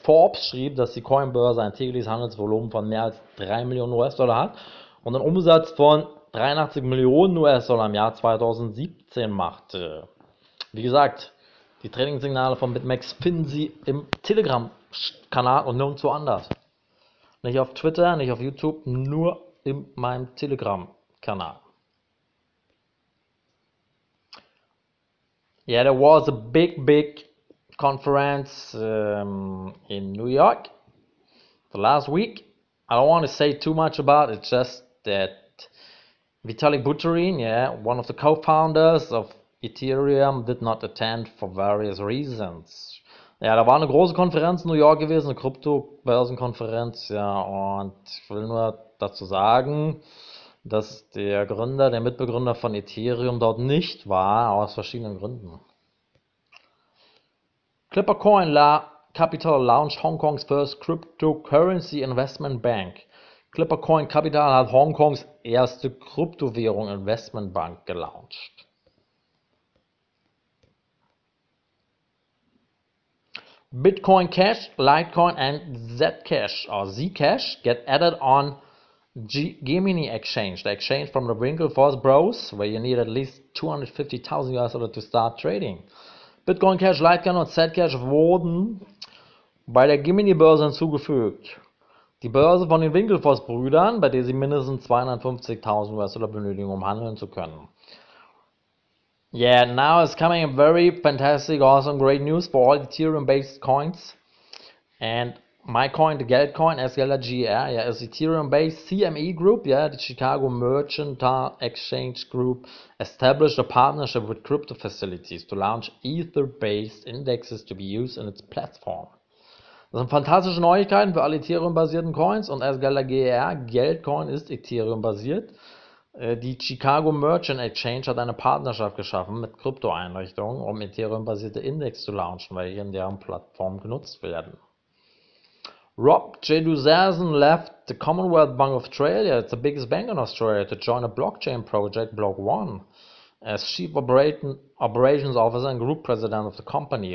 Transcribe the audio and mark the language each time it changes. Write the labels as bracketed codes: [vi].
[de] Forbes schrieb, dass die Coinbörse ein tägliches Handelsvolumen von mehr als 3 Millionen US-Dollar hat und einen Umsatz von 83 Millionen US-Dollar im Jahr 2017 machte. Wie gesagt, die Trading-Signale von BitMEX finden Sie im Telegram-Kanal und nirgendwo anders. Nicht auf Twitter, nicht auf YouTube, nur in meinem Telegram-Kanal. [en] Yeah, there was a big conference in New York the last week. I don't want to say too much about it, just that Vitalik Buterin, yeah, one of the co-founders of Ethereum, did not attend for various reasons. [de] Ja, da war eine große Konferenz in New York gewesen, eine Krypto-Börsenkonferenz, ja, und ich will nur dazu sagen, dass der Gründer, der Mitbegründer von Ethereum dort nicht war, aus verschiedenen Gründen. [en] Clippercoin La Capital launched Hongkongs first cryptocurrency investment bank. [de] Clippercoin Capital hat Hongkongs erste Kryptowährung Investmentbank gelauncht. [en] Bitcoin Cash, Litecoin and Zcash get added on Gemini Exchange, the exchange from the Winklevoss Bros, where you need at least $250,000 to start trading. [de] Bitcoin Cash, Litecoin und Zcash wurden bei der Gemini-Börse hinzugefügt. Die Börse von den Winklevoss-Brüdern, bei der sie mindestens 250.000 US-Dollar benötigen, um handeln zu können. [en] Yeah, now it's coming a very fantastic, awesome, great news for all Ethereum-based coins. And MyCoin, the Geldcoin, SGLRGR, yeah, is Ethereum-based CME Group, yeah, the Chicago Mercantile Exchange Group, established a partnership with Crypto Facilities to launch Ether-based indexes to be used in its platform. [de] Das sind fantastische Neuigkeiten für alle Ethereum-basierten Coins und SGLRGR, Geldcoin ist Ethereum-basiert. Die Chicago Merchant Exchange hat eine Partnerschaft geschaffen mit Kryptoeinrichtungen, um Ethereum-basierte Index zu launchen, weil hier in deren Plattform genutzt werden. [en] Rob J. Duzersen left the Commonwealth Bank of Australia, it's the biggest bank in Australia, to join a blockchain project, Block One, as Chief Operations Officer and Group President of the company.